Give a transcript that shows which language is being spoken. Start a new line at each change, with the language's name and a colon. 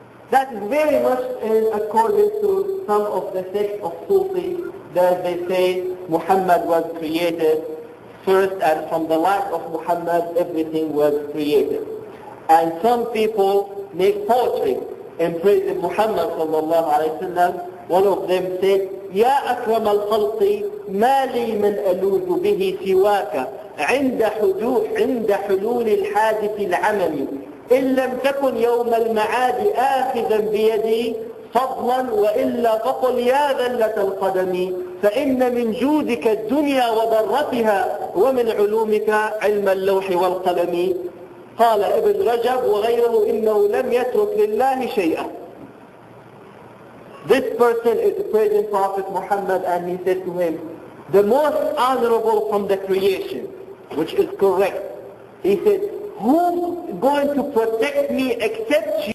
English: That is very much in accordance to some of the sects of Sufi that they say Muhammad was created first, and from the light of Muhammad, everything was created. And some people make poetry in praise of Muhammad sallallahu alaihi wasallam. One of them said,
Arabic: يَا أَكْرَمَ الْخَلْقِ مَا لِي مَنْ أَلُوذُ بِهِ سِوَاكَ عند حلول الحادث العملي إن لم تكن يوم المعاد آخذا بيدي فضلا وإلا فقل يا ذلة القدم فإن من جودك الدنيا وضرتها ومن علومك علم اللوح والقلم. قال ابن رجب وغيره إنه لم يترك لله شيئا.
English: This person is praising Prophet Muhammad and he said to him, the most honorable from the creation, which is correct. He said, who's going to protect me except you?